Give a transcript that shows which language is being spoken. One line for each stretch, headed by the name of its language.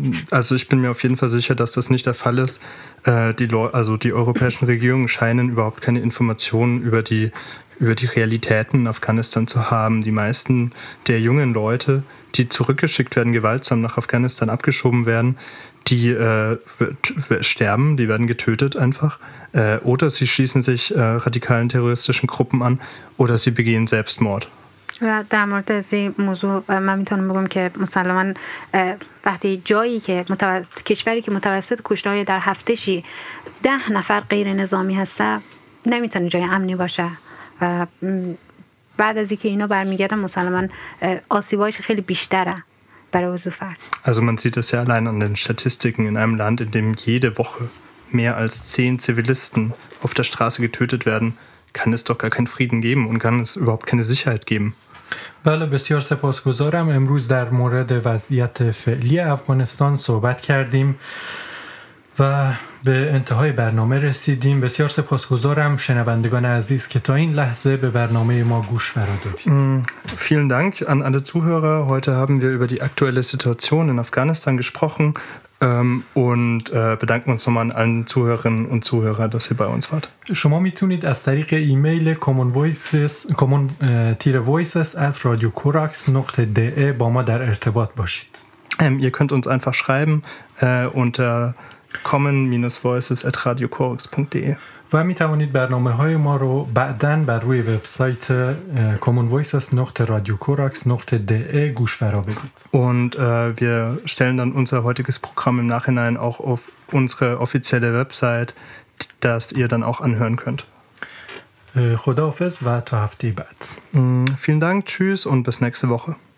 German: Also ich bin mir auf jeden Fall sicher, dass das nicht der Fall ist. Die europäischen Regierungen scheinen überhaupt keine Informationen über die Realitäten in Afghanistan zu haben. Die meisten der jungen Leute, die zurückgeschickt werden, gewaltsam nach Afghanistan abgeschoben werden, die sterben, die werden getötet einfach. Oder sie schließen sich radikalen terroristischen Gruppen an oder sie begehen Selbstmord.
Persian: و در مورد از این موضوع من میتونم بگم که مسلماً وقتی جایی که کشوری که متوسط کشته‌های در هفتشی 10 نفر غیر نظامی هسته نمیتونه جای امنی باشه و بعد از اینکه اینا برمیگردن مسلماً آسیبایش خیلی بیشتره برای وضو فرد.
German: Also man sieht das ja allein an den Statistiken in einem Land, in dem jede Woche mehr als 10 Zivilisten auf der Straße getötet werden. Kann es doch gar keinen Frieden geben und kann es überhaupt keine Sicherheit geben.
Persian: بله بسیار سپاسگزارم. امروز در مورد وضعیت فعلی افغانستان صحبت کردیم و به انتهای برنامه رسیدیم. بسیار سپاسگزارم شنوندگان عزیز که تا این لحظه به برنامه ما گوش فرا دادید.
German: Vielen Dank an alle Zuhörer. Heute haben wir über die aktuelle Situation in Afghanistan gesprochen und bedanken uns nochmal an allen Zuhörerinnen und Zuhörer, dass ihr bei uns wart.
Persian: شما میتونید از طریق ایمیل common-voices@radiokorax.de با ما در ارتباط باشید.
German: Ihr könnt uns einfach schreiben unter common-voices@radiokorax.de.
Persian: و میتونید برنامه‌های ما رو بعداً بر روی وبسایت commonvoices.radiokorax.de گوش فرا بدید.
German: Und wir stellen dann unser heutiges Programm im Nachhinein auch auf unsere offizielle Website, dass ihr dann auch anhören könnt.
Persian: خداحافظ و تا هفته بعد.
German: Vielen Dank, tschüss und bis nächste Woche.